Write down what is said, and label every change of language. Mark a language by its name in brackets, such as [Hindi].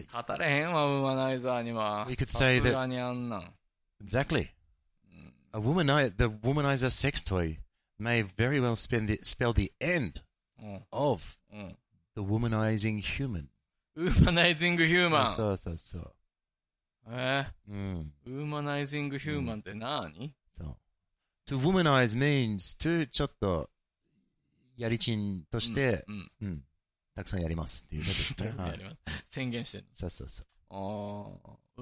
[Japanese] 語れへんわ、ウーマナイザーには。 [English] We could say that. [Japanese] さすがにあんなん。 [English] Exactly. A womanizer, the womanizer sex toy may very well spell the end of the womanizing human. Womanizing human. [Japanese] そうそうそう。うん、ウーマナイジングヒューマンって何、うん、そう。 [English] To womanize means to [Japanese] ちょっとやりちんとして、うんうんうん、たくさんやりますっていうことですね。はい、宣言してるの。そうそうそう。